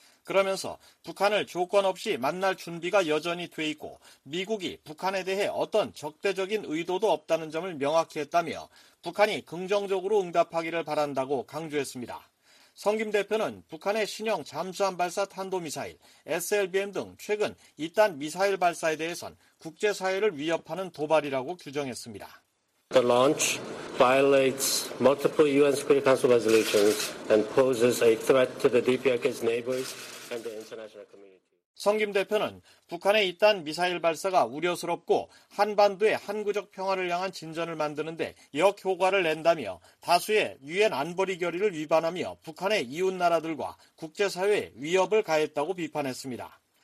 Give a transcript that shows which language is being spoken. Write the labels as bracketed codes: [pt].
[ko] 그러면서 북한을 조건 없이 만날 준비가 여전히 돼 있고 미국이 북한에 대해 어떤 적대적인 의도도 없다는 점을 명확히 했다며 북한이 긍정적으로 응답하기를 바란다고 강조했습니다. 성김 대표는 북한의 신형 잠수함 발사 탄도미사일, SLBM 등 최근 잇단 미사일 발사에 대해선 국제사회를 위협하는 도발이라고 규정했습니다. [en] The launch violates multiple UN Security Council resolutions and poses a threat to the DPRK's neighbors and the international community. [ko] 성김 대표는 북한의 잇단 미사일 발사가 우려스럽고 한반도의 한구적 평화를 향한 진전을 만드는데 역효과를 낸다며 다수의 유엔 안보리 결의를 위반하며 북한의 이웃나라들과 국제사회에 위협을 가했다고 비판했습니다.